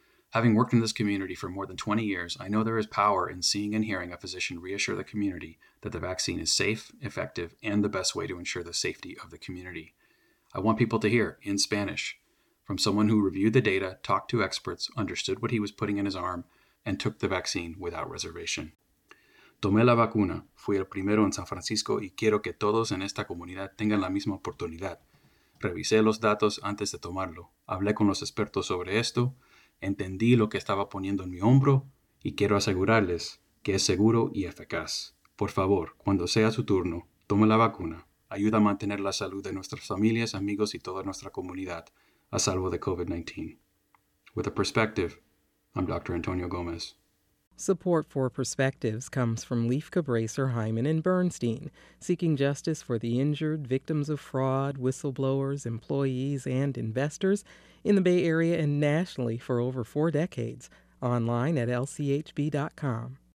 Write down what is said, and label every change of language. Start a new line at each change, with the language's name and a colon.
English: Having worked in this community for more than 20 years, I know there is power in seeing and hearing a physician reassure the community that the vaccine is safe, effective, and the best way to ensure the safety of the community. I want people to hear, in Spanish, from someone who reviewed the data, talked to experts, understood what he was putting in his arm, and took the vaccine without reservation.
Spanish: Tomé la vacuna, fui el primero en San Francisco y quiero que todos en esta comunidad tengan la misma oportunidad. Revisé los datos antes de tomarlo, hablé con los expertos sobre esto, entendí lo que estaba poniendo en mi hombro y quiero asegurarles que es seguro y eficaz. Por favor, cuando sea su turno, tome la vacuna. Ayuda a mantener la salud de nuestras familias, amigos y toda nuestra comunidad a salvo de COVID-19.
English: With a perspective, I'm Dr. Antonio Gómez. Support for Perspectives comes from Leif Cabracer, Hyman, and Bernstein, seeking justice for the injured, victims of fraud, whistleblowers, employees, and investors in the Bay Area and nationally for over four decades, online at lchb.com.